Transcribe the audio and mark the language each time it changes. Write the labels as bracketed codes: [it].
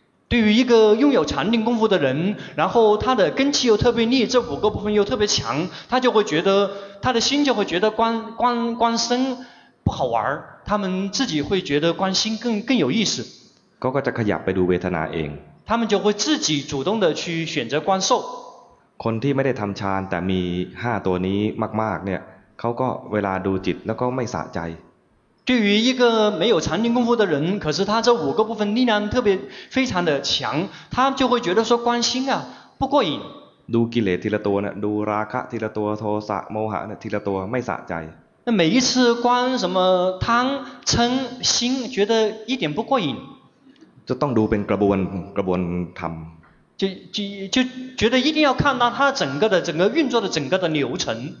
[zh] 对于一个拥有禅定功夫的人然后他的根气又特别力这五个部分又特别强他就会觉得他的心就会觉得观身不好玩他们自己会觉得观心更有意思 [th] ก็จะขยับไปดูเวทนาเอง [zh] 他们就会自己主动的去选择观受 [th] คนที่ไม่ได้ทำฌานแต่มี5ตัวนี้มากๆเนี่ยเขาก็เวลาดูจิตแล้วก็ไม่สะใจ [zh] 对于一个没有禅定功夫的人可是他这五个部分力量特别非常的强他就会觉得说关心啊不过瘾 [th] ดูกิเลสทีละตัวเนี่ยดูราคะทีละตัวโทสะโมหะเนี่ยทีละตัวไม่สะใจ [zh] 那每一次观什么贪嗔心觉得一点不过瘾 [th] จะต้องดูเป็นกระบวนธรรม [zh] 就觉得一定要看到他整个运作的整个的流程